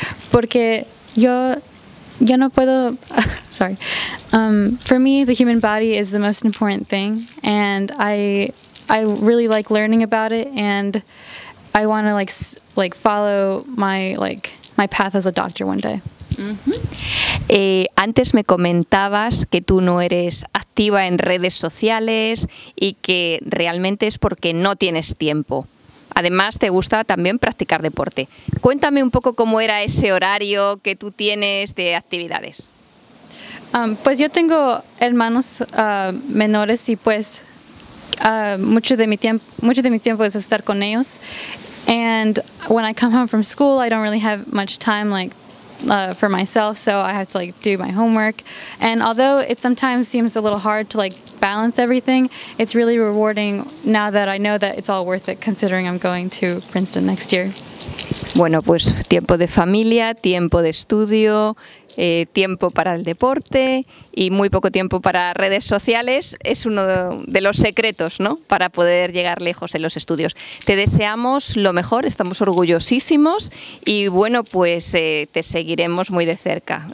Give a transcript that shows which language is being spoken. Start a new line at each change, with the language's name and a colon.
Spanish: Porque yo no puedo, sorry.
English: For me, the human body is the most important thing, and I really like learning about it, and I want to like follow my path as a doctor one day. Uh-huh.
Spanish: Antes me comentabas que tú no eres activa en redes sociales y que realmente es porque no tienes tiempo. Además, te gusta también practicar deporte. Cuéntame un poco cómo era ese horario que tú tienes de actividades. Pues yo tengo hermanos menores y pues mucho de mi tiempo es estar con ellos.
English: And when I come home from school, I don't really have much time like for myself, so I have to like do my homework. And although it sometimes seems a little hard to like balance everything, it's really rewarding now that I know that it's all worth it considering I'm going to Princeton next year.
Spanish: Bueno, pues tiempo de familia, tiempo de estudio, tiempo para el deporte y muy poco tiempo para redes sociales es uno de los secretos, ¿no?, para poder llegar lejos en los estudios. Te deseamos lo mejor, estamos orgullosísimos y bueno, pues te seguiremos muy de cerca.